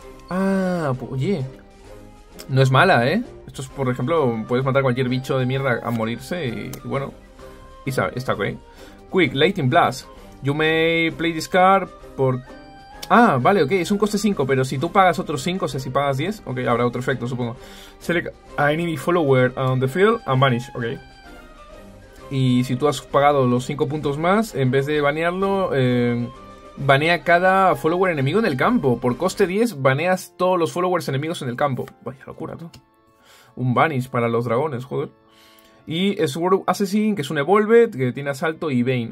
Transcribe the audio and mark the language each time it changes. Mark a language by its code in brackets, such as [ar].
[es] Ah, oye. No es mala, ¿eh? Esto es, por ejemplo, puedes matar cualquier bicho de mierda a morirse y bueno. Y sabe, está ok. [en] Quick, Lightning Blast. You may play this card [es] por... Ah, vale, ok. Es un coste 5, pero si tú pagas otros 5, o sea, si pagas 10, ok, habrá otro efecto, supongo. [en] Select a enemy follower on the field and banish, ok. [es] Y si tú has pagado los 5 puntos más, en vez de banearlo, banea cada follower enemigo en el campo. Por coste 10, baneas todos los followers enemigos en el campo. Vaya locura, tú. Un banish para los dragones, joder. Y Sword Assassin, que es un Evolved, que tiene asalto y Bane.